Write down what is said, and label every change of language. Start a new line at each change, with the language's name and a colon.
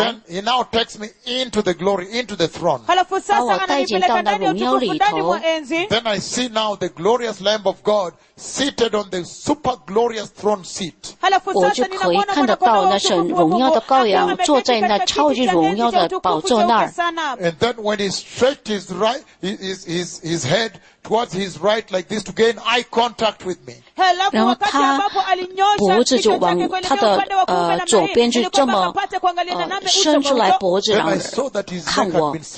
English: Then he now takes me into the glory, into the throne.
Chinese: 把我带进到那荣耀里头。
English: Then I see now the glorious lamb of God seated on the super glorious throne seat.
Chinese: 我就可以看得到那神荣耀的羔羊坐在那超级荣耀的宝座那儿。
English: And then when he stretched his right, his head towards his right like this to gain eye contact with me.
Chinese: 然后他脖子就往他的左边就这么伸出来脖子，然后看我。